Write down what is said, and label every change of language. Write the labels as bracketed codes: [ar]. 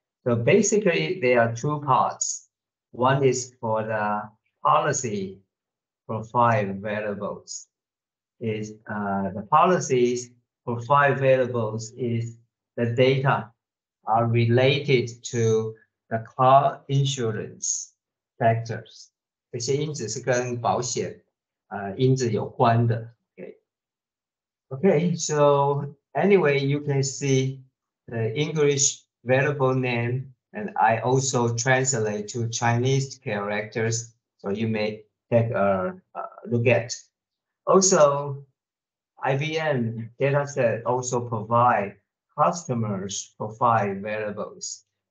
[en] So basically, there are two parts. One is for the policy profile variables. Is the policies profile variables is the data are related to the car insurance factors. [zh] 这些因子是跟保险因子有关的. [en] Okay, so anyway, you can see the English variable name, and I also translate to Chinese characters, so you may take a look at. Also, IBM dataset also provide customers profile variables.